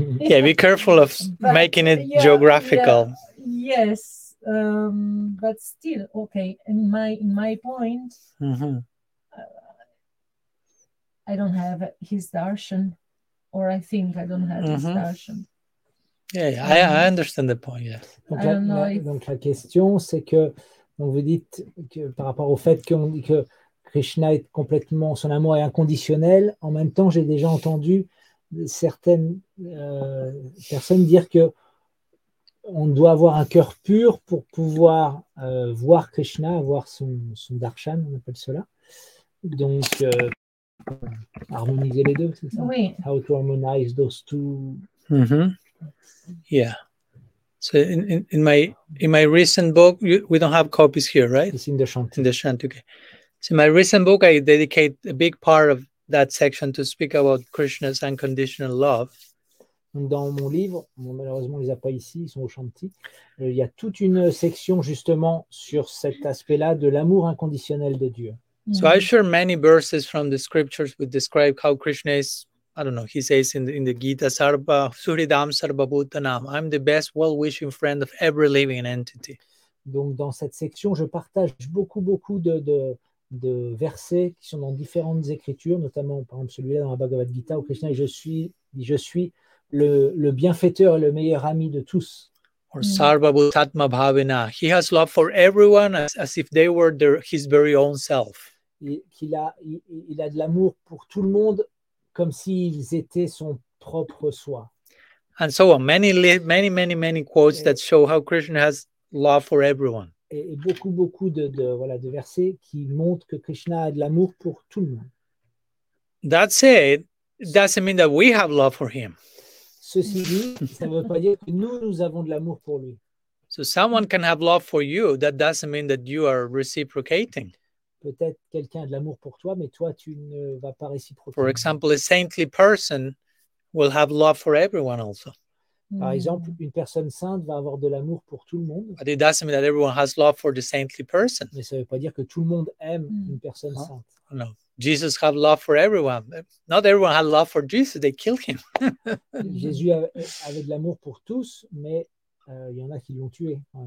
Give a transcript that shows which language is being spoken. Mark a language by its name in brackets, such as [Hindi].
[English] Yeah, be careful of making it geographical. Yes, but still, okay, in my point, mm-hmm. I don't have his darshan, or I think I don't have mm-hmm. his darshan. Yeah, I understand the point, yes. Okay. I don't know if... [French] Donc la question, c'est que donc vous dites que par rapport au fait que Krishna est complètement, son amour est inconditionnel, en même temps j'ai déjà entendu certaines personnes dire que on doit avoir un cœur pur pour pouvoir voir Krishna, avoir son darshan, on appelle cela. Donc harmoniser les deux, c'est ça? Oui. [English] How to harmonize those two. Mm-hmm. Yeah. So in my recent book, we don't have copies here, right? It's in the Shanti. In the Shanti, okay. So in my recent book, I dedicate a big part of that section to speak about Krishna's unconditional love. [French] Dans mon livre, malheureusement, ils n'ont pas ici, ils sont au Shanti. Il y a toute une section justement sur cet aspect-là de l'amour inconditionnel de Dieu. [English] So I share many verses from the scriptures which describe how Krishna is. I don't know. He says in the Gita, Sarva Suridam Sarva Bhutanam, I'm the best well-wishing friend of every living entity. [French] Donc dans cette section, je partage beaucoup de versets qui sont dans différentes écritures, notamment par exemple celui-là dans la Bhagavad Gita où Krishna dit je suis le bienfaiteur et le meilleur ami de tous. [English] Or Sarva Bhutatma Bhavina, he has love for everyone as if they were his very own self. [French] Il a de l'amour pour tout le monde. Comme s'ils étaient son propre soi. [English] And so on, many quotes that show how Krishna has love for everyone. [French] Et beaucoup de versets qui montrent que Krishna a de l'amour pour tout le monde. [English] That said, doesn't mean that we have love for him. [French] Ceci dit, ça ne veut pas dire que nous avons de l'amour pour lui. [English] So someone can have love for you, that doesn't mean that you are reciprocating. [French] Peut-être quelqu'un a de l'amour pour toi, mais toi, tu ne vas pas réciproquer. [English] For example, a saintly person will have love for everyone also. [French] Par exemple, une personne sainte va avoir de l'amour pour tout le monde. [English] But it doesn't mean that everyone has love for the saintly person. [French] Mais ça ne veut pas dire que tout le monde aime une personne sainte. [English] No. Jesus had love for everyone. Not everyone had love for Jesus. They killed him. [French] Jésus avait de l'amour pour tous, mais il y en a qui l'ont tué.